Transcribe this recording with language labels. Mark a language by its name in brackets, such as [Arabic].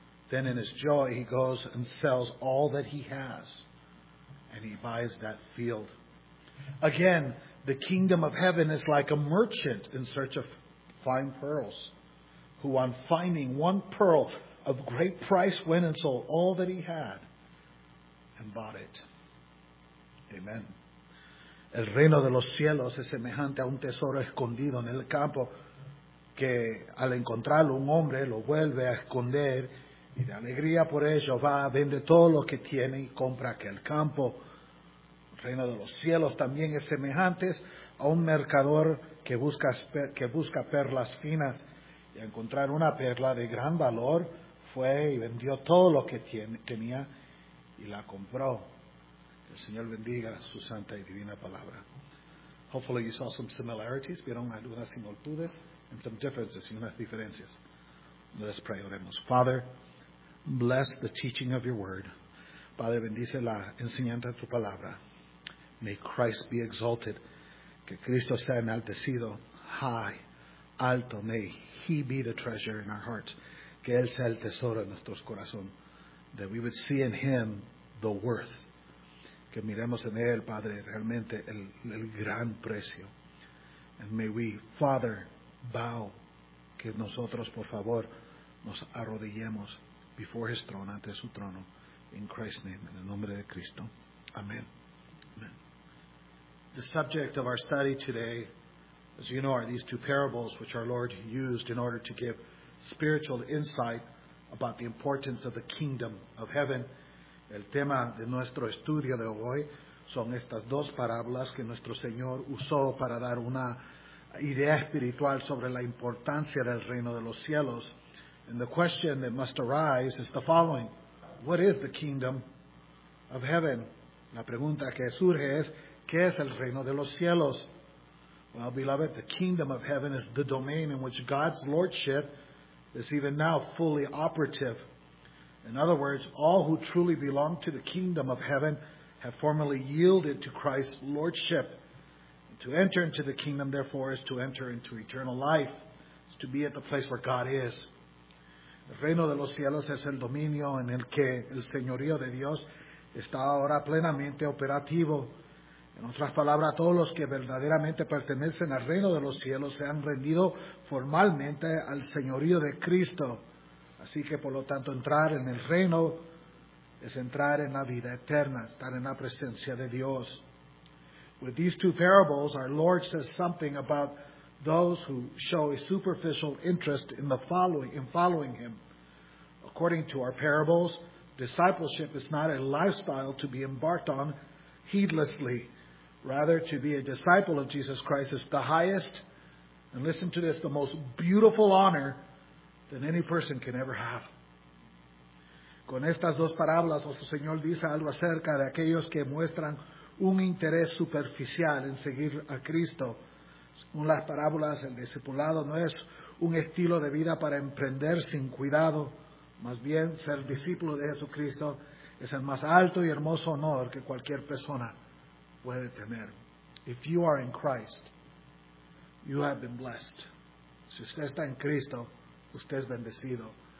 [English] Then in his joy, he goes and sells all that he has, and he buys that field. Again, the kingdom of heaven is like a merchant in search of fine pearls, who on finding one pearl of great price went and sold all that he had and bought it. Amen. [Spanish] El reino de los cielos es semejante a un tesoro escondido en el campo que al encontrarlo un hombre lo vuelve a esconder y de alegría por ello va, vende todo lo que tiene y compra aquel campo. El reino de los cielos también es semejante a un mercador que busca perlas finas y al encontrar una perla de gran valor fue y vendió todo lo que tenía y la compró. El Señor bendiga su santa y divina palabra. [English] Hopefully you saw some similarities, [Spanish] vieron algunas similitudes, [English] and some differences, [Spanish] y unas diferencias. [English] Let's pray, [Spanish] oremos. [English] Father, bless the teaching of your word. [Spanish] Padre, bendice la enseñanza de tu palabra. [English] May Christ be exalted. [Spanish] Que Cristo sea enaltecido, [English] high, [Spanish] alto. [English] May he be the treasure in our hearts. [Spanish] Que él sea el tesoro en nuestros corazones. [English] That we would see in him the worth. [Spanish] Que miremos en él, Padre, realmente el gran precio. [English] And may we, Father, bow, [Spanish] que nosotros, por favor, nos arrodillemos [English] before his throne, [Spanish] ante su trono, [English] in Christ's name, [Spanish] en el nombre de Cristo. [English] Amen. Amen. The subject of our study today, as you know, are these two parables which our Lord used in order to give spiritual insight about the importance of the kingdom of heaven. [Spanish] El tema de nuestro estudio de hoy son estas dos parábolas que nuestro Señor usó para dar una idea espiritual sobre la importancia del reino de los cielos. [English] And the question that must arise is the following. What is the kingdom of heaven? [Spanish] La pregunta que surge es, ¿qué es el reino de los cielos? [English] Well, beloved, the kingdom of heaven is the domain in which God's lordship is even now fully operative. In other words, all who truly belong to the kingdom of heaven have formally yielded to Christ's lordship. And to enter into the kingdom, therefore, is to enter into eternal life. It's to be at the place where God is. [Spanish] El reino de los cielos es el dominio en el que el señorío de Dios está ahora plenamente operativo. En otras palabras, todos los que verdaderamente pertenecen al reino de los cielos se han rendido formalmente al señorío de Cristo. Así que, por lo tanto, entrar en el reino es entrar en la vida eterna, estar en la presencia de Dios. [English] With these two parables, our Lord says something about those who show a superficial interest in following him. According to our parables, discipleship is not a lifestyle to be embarked on heedlessly. Rather, to be a disciple of Jesus Christ is the highest, and listen to this, the most beautiful honor than any person can ever have. [Spanish] Con estas dos parábolas, nuestro Señor dice algo acerca de aquellos que muestran un interés superficial en seguir a Cristo. Según las parábolas, el discipulado no es un estilo de vida para emprender sin cuidado. Más bien, ser discípulo de Jesucristo es el más alto y hermoso honor que cualquier persona puede tener. [English] If you are in Christ, you have been blessed. [Spanish] Si usted está en Cristo, usted es bendecido.